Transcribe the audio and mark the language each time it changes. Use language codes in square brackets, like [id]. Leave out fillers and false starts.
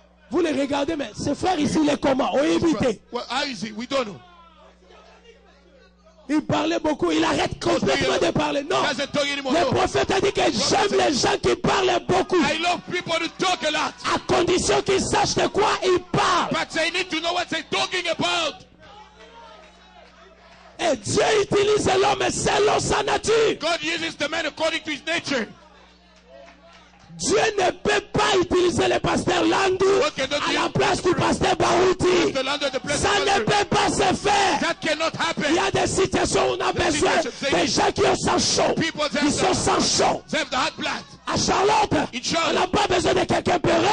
[fr] Vous les regardez, mais ce frère ici, il est comment? On évite. [en] Well, how is he? We don't know. [fr] Il parlait beaucoup, il arrête complètement de parler. Non. Le prophète a dit que j'aime les gens qui parlent beaucoup. [en] I love people who talk a lot. [fr] À condition qu'ils sachent de quoi ils parlent. [en] But they need to know what they're talking about. [fr] Et Dieu utilise l'homme selon sa nature. [en] God uses the man according to his nature. [fr] Dieu ne peut pas utiliser le pasteur Landou à la place du pasteur Barouti. Ça ne peut pas se faire. [en] That cannot happen. [fr] Il y a des situations où on a besoin des gens qui ont sang chaud. Ils sont sans chaud. À Charlotte, on n'a pas besoin de quelqu'un péré.